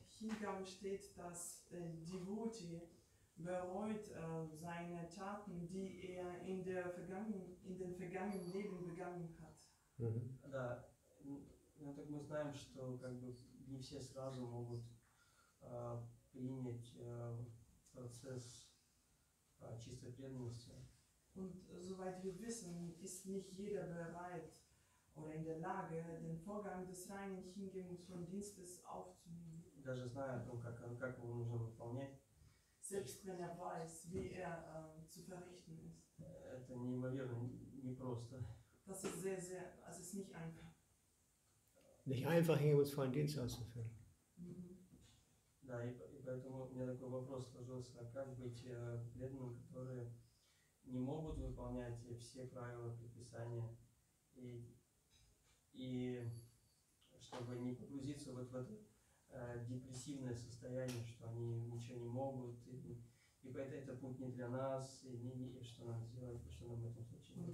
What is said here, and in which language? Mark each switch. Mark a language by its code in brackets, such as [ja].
[de] Hingabe steht, dass Devoti bereut seine Taten, die er in der in den vergangenen Leben begangen hat. [ru] Ja, так мы знаем, что как бы не все сразу могут принять процесс чистой преданности. [de] Und soweit wir wissen, ist nicht jeder bereit oder in der Lage, den Vorgang des reinen Hingebens von Dienstes aufzunehmen. [ru] Даже зная о том, как его нужно выполнять. [de] Selbst wenn er weiß, wie er zu verrichten ist. [ru] Это неимоверно непросто. [de] Das ist sehr, sehr, also es ist nicht einfach. Nicht einfach, hingebungsvollen Dienst auszuführen. [ru] Да, и поэтому у меня такой вопрос сложился, как быть преданным, которые не могут выполнять все правила предписания, и чтобы не погрузиться вот в это депрессивное состояние, что они ничего не могут, и поэтому это путь не для нас, и что нам сделать, что нам в этом случае.